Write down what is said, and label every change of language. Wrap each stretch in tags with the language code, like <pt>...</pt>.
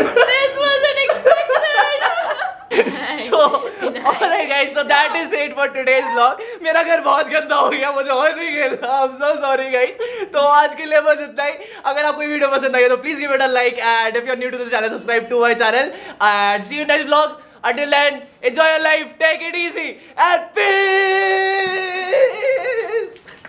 <en>This wasn't expected. So, alright guys, so that is it for today's vlog.</en> <hi>मेरा घर बहुत गंदा हो गया, मुझे और नहीं खेलना।</hi> <en>I'm so sorry guys.</en> <hi>तो आज के लिए बस इतना ही। अगर आपको ये वीडियो पसंद आया तो</hi> <en>Please give it a like, and if you are new to the channel subscribe to my channel, and see you next vlog. Until then, enjoy your life, take it easy, and peace!</en>